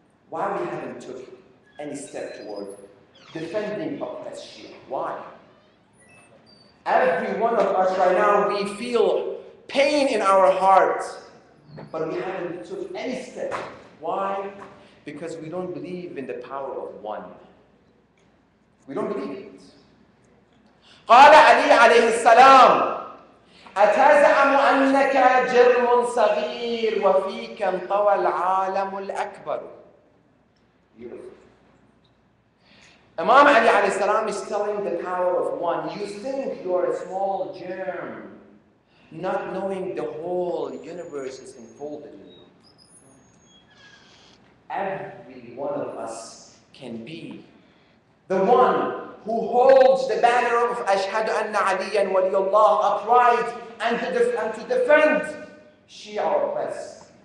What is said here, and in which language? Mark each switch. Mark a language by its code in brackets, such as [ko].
[en] Why we haven't took any step toward defending oppressed Shia? Why? Every one of us right now, we feel pain in our heart, but we haven't took any step. Why? Because we don't believe in the power of one. We don't believe it. [ar] قال علي عليه السلام أتزعم أنك جرم صغير وفيك انطوى العالم الأكبر [en] Imam Ali alayhi salam is telling the power of one. You think you are a small germ, not knowing the whole universe is enfolded in you. Every one of us can be the one who holds the banner of Ashhadu anna Aliyan waliyullah upright and to defend Shia oppressed.